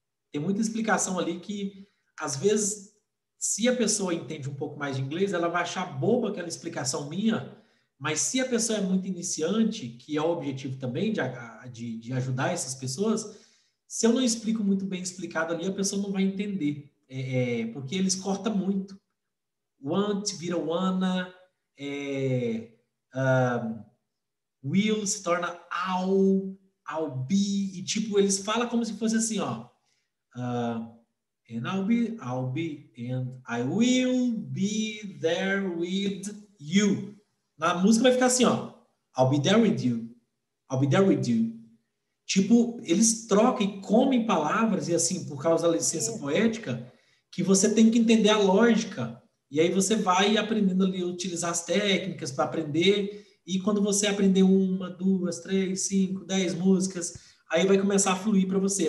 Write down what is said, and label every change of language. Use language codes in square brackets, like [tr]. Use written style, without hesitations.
[pt] Tem muita explicação ali que, às vezes, se a pessoa entende um pouco mais de inglês, ela vai achar boba aquela explicação minha, mas se a pessoa é muito iniciante, que é o objetivo também de ajudar essas pessoas, se eu não explico muito bem explicado ali, a pessoa não vai entender, porque eles cortam muito. Want vira wanna, will se torna I'll be, e tipo, eles falam como se fosse assim, ó. [en] And I'll be, and I will be there with you. [pt] Na música vai ficar assim, ó. [en] I'll be there with you. I'll be there with you. [pt] Tipo, eles trocam e comem palavras, e assim, por causa da licença poética, que você tem que entender a lógica. E aí você vai aprendendo ali, utilizar as técnicas para aprender, e quando você aprender uma, duas, três, cinco, 10 músicas, aí vai começar a fluir para você.